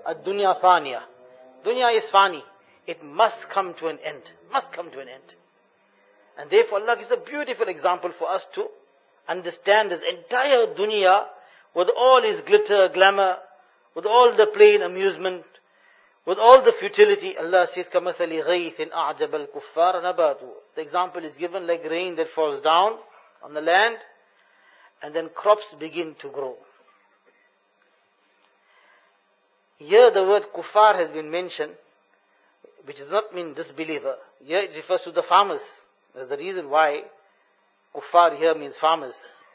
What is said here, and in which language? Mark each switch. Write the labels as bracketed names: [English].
[English] A dunya faniya. Dunya is fani. It must come to an end. Must come to an end. And therefore Allah gives a beautiful example for us to understand this entire dunya with all its glitter, glamour, with all the plain amusement, with all the futility. Allah says, [Arabic] كَمَثَلِ غَيْثٍ أَعْجَبَ الْكُفَّارَ نَبَاتُهُ. [English] The example is given like rain that falls down on the land and then crops begin to grow. Here the word kuffar has been mentioned, which does not mean disbeliever. Here it refers to the farmers. There's a reason why kuffar here means farmers.